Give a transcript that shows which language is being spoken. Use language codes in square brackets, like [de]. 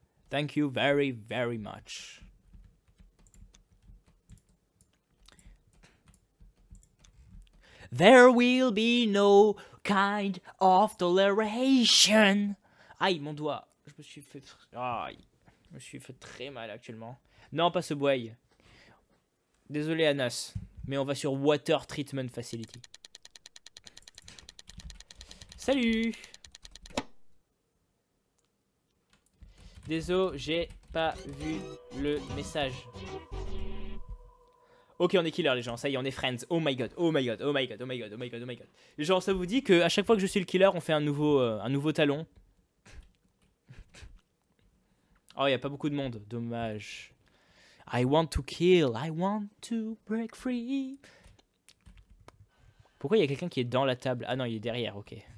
[en] Thank you very, very much. There will be no kind of toleration. [fr] Aïe, mon doigt. Je me suis fait très mal actuellement. Non, pas ce boy. Désolé, Anas. Mais on va sur Water Treatment Facility. Salut. Désolé, j'ai pas vu le message. Ok, on est killer les gens, ça y est, on est friends. [en] Oh my god, oh my god, oh my god, oh my god, oh my god, oh my god. [fr] Les gens, ça vous dit qu'à chaque fois que je suis le killer, on fait un nouveau talon. Oh, y a pas beaucoup de monde, dommage. [en] I want to kill, I want to break free. [fr] Pourquoi y a quelqu'un qui est dans la table? Ah non, il est derrière, ok.